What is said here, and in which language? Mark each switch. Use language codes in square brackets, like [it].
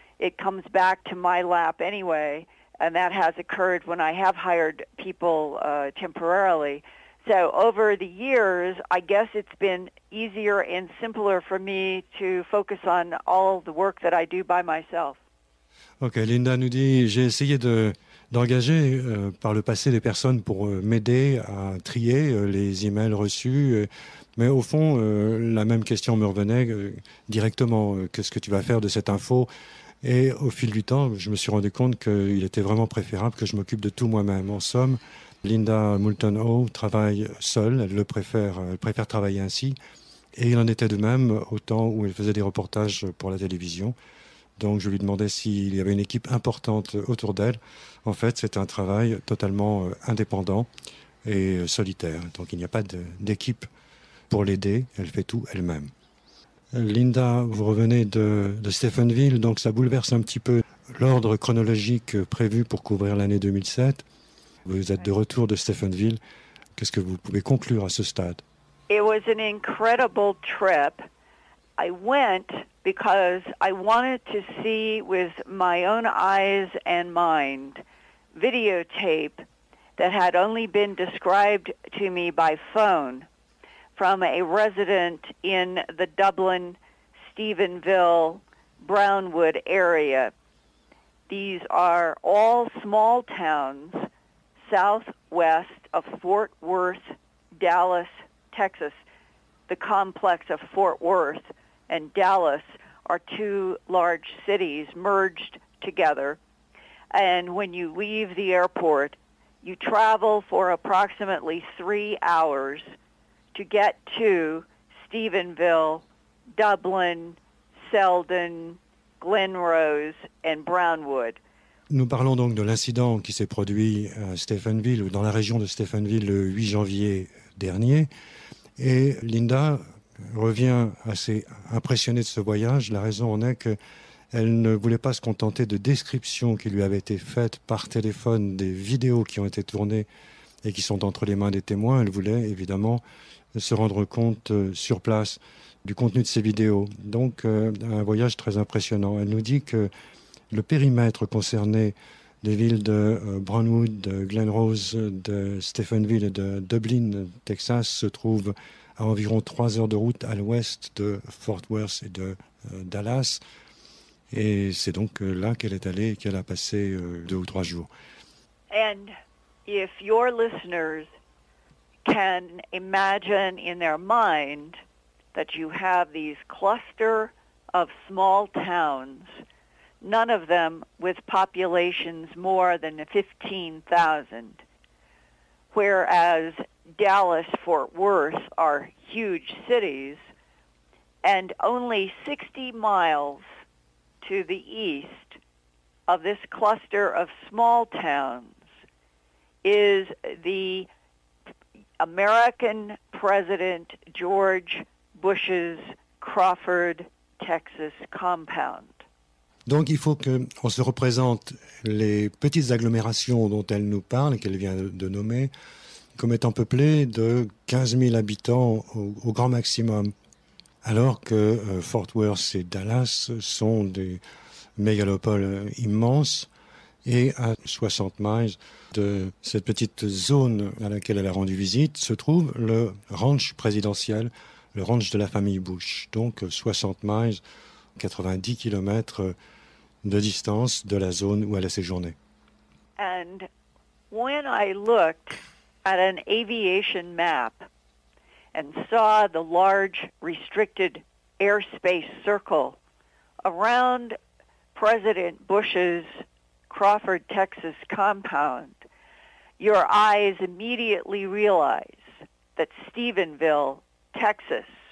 [en] It comes back to my lap anyway, and that has occurred when I have hired people temporarily. So over the years, I guess it's been easier and simpler for me to focus on all the work that I do by myself. [fr] Ok, Linda nous dit, j'ai essayé d'engager par le passé des personnes pour m'aider à trier les emails reçus. Mais au fond, la même question me revenait directement. Qu'est-ce que tu vas faire de cette info? Et au fil du temps, je me suis rendu compte qu'il était vraiment préférable que je m'occupe de tout moi-même. En somme, Linda Moulton Howe travaille seule, elle préfère travailler ainsi. Et il en était de même au temps où elle faisait des reportages pour la télévision. Donc je lui demandais s'il y avait une équipe importante autour d'elle. En fait, c'est un travail totalement indépendant et solitaire. Donc il n'y a pas d'équipe pour l'aider, elle fait tout elle-même. Linda, vous revenez de Stephenville, donc ça bouleverse un petit peu l'ordre chronologique prévu pour couvrir l'année 2007. Vous êtes de retour de Stephenville. Qu'est-ce que vous pouvez conclure à ce stade? [en] It was an incredible trip. I went because I wanted to see with my own eyes and mind videotape that had only been described to me by phone from a resident in the Dublin, Stephenville, Brownwood area. These are all small towns southwest of Fort Worth, Dallas, Texas. The complex of Fort Worth and Dallas are two large cities merged together. And when you leave the airport, you travel for approximately 3 hours to get to Stephenville, Dublin, Selden, Glenrose, and Brownwood. [fr] Nous parlons donc de l'incident qui s'est produit à Stephenville ou dans la région de Stephenville le 8 janvier dernier. Et Linda revient assez impressionnée de ce voyage. La raison en est qu'elle ne voulait pas se contenter de descriptions qui lui avaient été faites par téléphone des vidéos qui ont été tournées et qui sont entre les mains des témoins. Elle voulait évidemment se rendre compte sur place. du contenu de ces vidéos. Donc, un voyage très impressionnant. Elle nous dit que le périmètre concerné des villes de Brownwood, de Glen Rose, de Stephenville et de Dublin, Texas, se trouve à environ 3 heures de route à l'ouest de Fort Worth et de Dallas. Et c'est donc là qu'elle est allée et qu'elle a passé 2 ou 3 jours. [en] And if your listeners can imagine in their mind that you have these cluster of small towns, none of them with populations more than 15,000, whereas Dallas, Fort Worth are huge cities, and only 60 miles to the east of this cluster of small towns is the American President George Bush's Crawford, Texas compound. [fr] Donc il faut qu'on se représente les petites agglomérations dont elle nous parle, qu'elle vient de nommer, comme étant peuplées de 15 000 habitants au grand maximum, alors que Fort Worth et Dallas sont des mégalopoles immenses. Et à 60 miles de cette petite zone à laquelle elle a rendu visite se trouve le ranch présidentiel, le ranch de la famille Bush. Donc 60 miles, 90 kilomètres de distance de la zone où elle a séjourné. [en] And when I looked at an aviation map and saw the large restricted airspace circle around President Bush's Crawford, Texas compound, your eyes immediately realize that Stephenville, Texas,